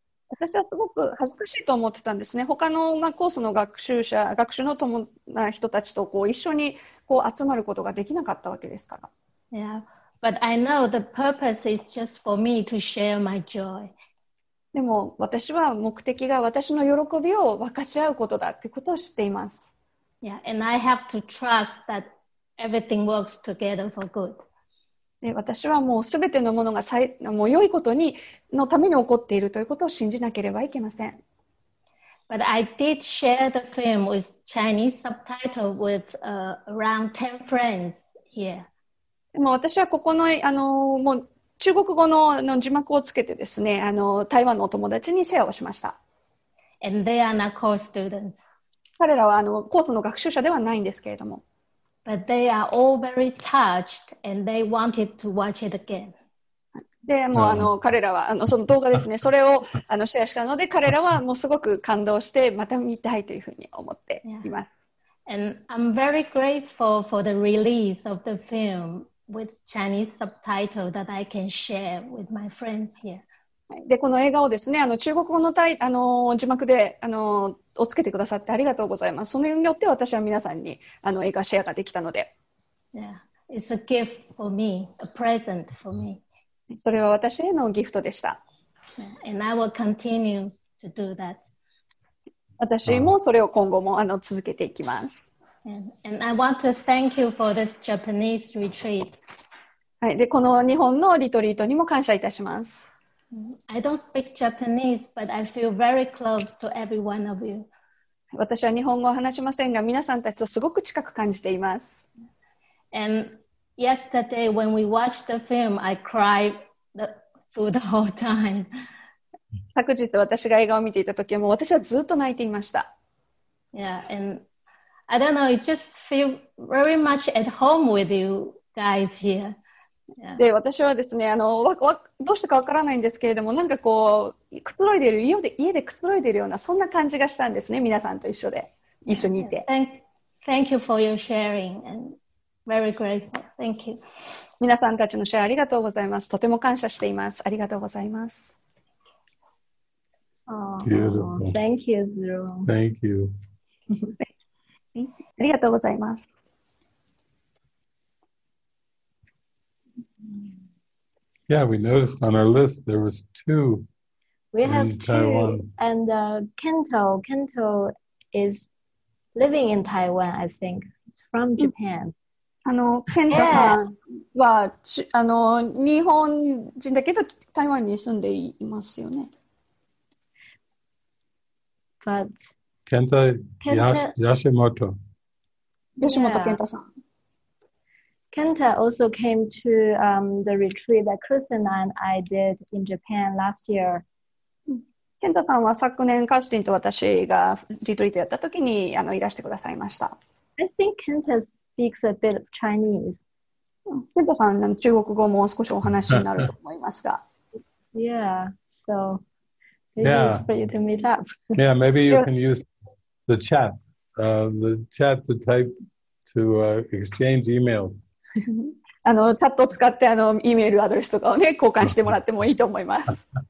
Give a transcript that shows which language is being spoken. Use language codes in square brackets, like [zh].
[ja] 私はすごく恥ずかしいと思ってたんですね。他の、まあ、コースの学習者、学習の友な人たちとこう一緒にこう集まることができなかったわけですから。 [en] Yeah, but I know the purpose is just for me to share my joy. [ja] でも私は目的が私の喜びを分かち合うことだということを知っています。 [en] Yeah, and I have to trust that everything works together for good. [ja] で私はもうすべてのものがもう良いことにのために起こっているということを信じなければいけません。 [en] But I did share the film with Chinese subtitle with around 10 friends here. [ja] でも私はここの、もう中国語の、字幕をつけてですね、台湾のお友達にシェアをしました。 [en] And they are not course students. [ja] 彼らはコースの学習者ではないんですけれども。 [en] But they are all very touched and they wanted to watch it again. [ja] でも彼らはその動画ですね、それをシェアしたので、彼らはもうすごく感動して、また見たいというふうに思っています。 [en] Yeah. And I'm very grateful for the release of the film with Chinese subtitle that I can share with my friends here. [ja] で、この映画をですね、中国語の字幕で、をつけてくださってありがとうございます。それによって私は皆さんに映画シェアができたので。 [en] Yeah. It's a gift for me, a present for me. [ja] それは私へのギフトでした。 [en] And I will continue to do that. [ja] 私もそれを今後も続けていきます。 [en] And I want to thank you for this Japanese retreat. [ja] はい。で、この日本のリトリートにも感謝いたします。 [en] I don't speak Japanese, but I feel very close to every one of you. [ja] 私は日本語を話しませんが、皆さんたちとすごく近く感じています。 [en] And yesterday when we watched the film, I cried through the whole time. [ja] 昨日私が映画を見ていた時も、私はずっと泣いていました。 [en] Yeah, and I don't know, I just feel very much at home with you guys here. [ja] で、私はですね、どうしてかわからないんですけれども、なんかこう、くつろいでいる、家でくつろいでいるような、そんな感じがしたんですね、皆さんと一緒で、一緒にいて。 [en] Thank you for your sharing and very grateful. Thank you. [ja] 皆さんたちのシェアありがとうございます。とても感謝しています。ありがとうございます。 [en] Thank you, Zero. Thank you. [ja] ありがとうございます。 [en] Yeah, we noticed on our list there was two. We have two. And Kento is living in Taiwan, I think. It's from Japan. [ja] Kento-san は日本人だけど台湾に住んでいますよね。 [en] But Kento Yoshimoto. Yoshimoto Kento-san. Kenta also came to the retreat that Kirsten and I did in Japan last year. [ja] Kenta-san は昨年、Kirsten と私がリトリートやった時にいらしてくださいました。 [en] I think Kenta speaks a bit of Chinese. [ja] Kenta-san、中国語も少しお話になると思いますが。 [en] Yeah, so maybe it's for you to meet up. Yeah, maybe you can use the chat to type to exchange emails. [ja] チャットを使ってイメールアドレスとかを、ね、交換してもらってもいいと思います。